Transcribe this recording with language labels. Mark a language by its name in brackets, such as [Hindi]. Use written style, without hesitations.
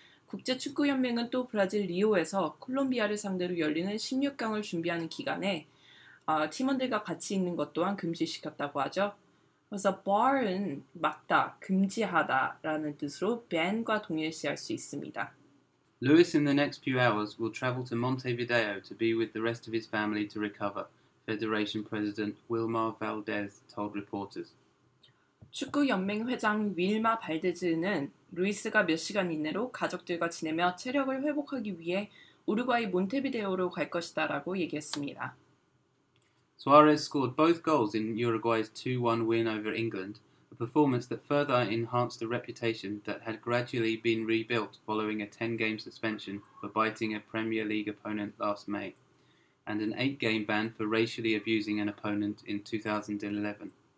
[Korean] 국제축구연맹은 또 브라질 리오에서 콜롬비아를 상대로 열리는 16강을 준비하는 기간에 팀원들과 같이 있는 것 또한 금지시켰다고 하죠. 그래서 bar은 막다, 금지하다라는 뜻으로 ban과 동일시할 수 있습니다. [English] Lewis in the next few hours will travel to Montevideo to be with the rest of his family to recover, Federation President Wilmar Valdez told reporters. [Korean] 축구연맹 회장 윌마 발데즈는 루이스가 몇 시간 이내로 가족들과 지내며 체력을 회복하기 위해 우루과이 몬테비데오로 갈 것이다 라고 얘기했습니다. [English] Suarez scored both goals in Uruguay's 2-1 win over England, a performance that further enhanced the reputation that had gradually been rebuilt following a 10-game suspension for biting a Premier League opponent last May, and an 8-game ban for racially abusing an opponent in 2011.